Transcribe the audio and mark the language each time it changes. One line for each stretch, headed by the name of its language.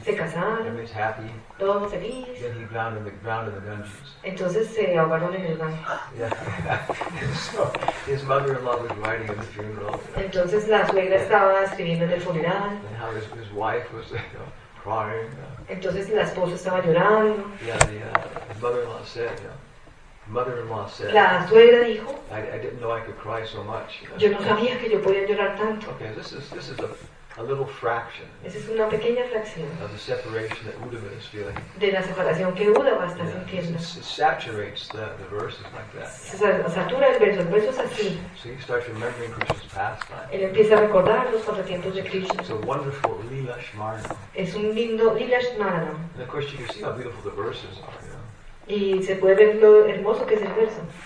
Spanish: Se casaron.
English: Everybody's happy.
Spanish: Todos felices.
English: Then he drowned in the Ganges.
Spanish: Entonces se ahogaron en el Ganges.
English: Yeah. So his mother-in-law was writing at the funeral.
Spanish: Entonces la suegra estaba escribiendo en el funeral.
English: His wife was, you know, crying.
Spanish: Entonces la esposa estaba llorando.
English: Yeah, the mother-in-law said, you know, mother-in-law said.
Spanish: La suegra dijo.
English: I didn't know I could cry so much.
Spanish: Yo no sabía que yo podía llorar tanto.
English: Okay, this is a little fraction.
Spanish: Esa es una pequeña fracción.
English: Of the separation that Uddhava is feeling.
Spanish: De la separación que Uddhava está sintiendo.
English: It saturates the verses like that.
Spanish: Satura el verso, así.
English: So he starts remembering Krishna's pastime.
Spanish: Él empieza a recordar los pasatiempos de Krishna.
English: It's a wonderful lila shmarana.
Spanish: Es un lindo lila shmarana.
English: And of course, you can see how beautiful the verses are.
Spanish: Y se puede ver lo hermoso que es el verso.